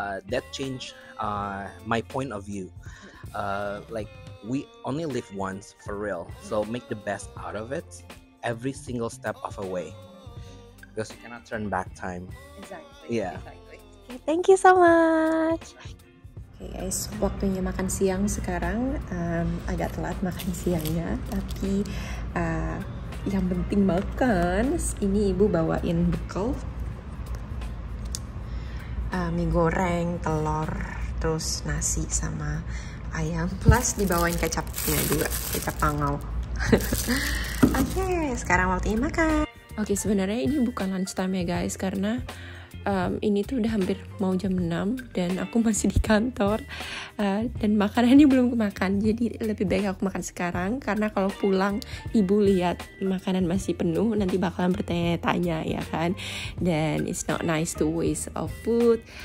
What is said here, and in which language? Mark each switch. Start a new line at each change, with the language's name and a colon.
English: That changed my point of view. We only live once, for real. So make the best out of it, every single step of the way, because you cannot turn back time. Exactly. Yeah. Exactly. Okay, thank you so much. Okay guys,
Indonesian: waktunya makan siang sekarang. Agak telat makan siangnya, tapi yang penting makan. Ini ibu bawain bekal. Mie goreng, telur, terus nasi sama ayam, plus dibawain kecapnya juga, kecap Pangau. Okay, sekarang waktunya makan. Okay, sebenarnya ini bukan
English: lunch time
Indonesian: ya guys, karena ini tuh udah hampir mau jam 6 dan aku masih di kantor, dan makanannya belum kemakan. Jadi lebih baik aku makan sekarang, karena kalau pulang ibu lihat makanan masih penuh, nanti bakalan bertanya-tanya ya kan.
English: Dan it's not nice to waste of food.